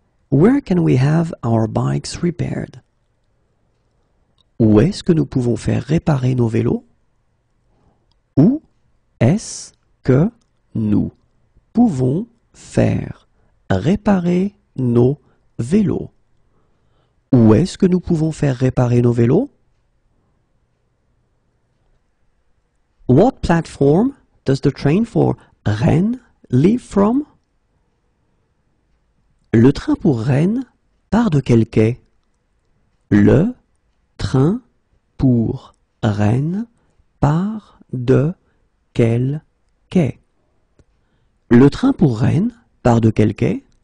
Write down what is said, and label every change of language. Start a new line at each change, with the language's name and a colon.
English: Where can we have our bikes repaired?
French: Où est-ce que nous pouvons faire réparer nos vélos? Où est-ce que nous pouvons faire réparer nos vélos? Où est-ce que nous pouvons faire réparer nos vélos?
English: What platform does the train for Rennes leave from?
French: Le train pour Rennes part de quel quai? Le train pour Rennes part de quel quai? Le train pour Rennes part de quel quai?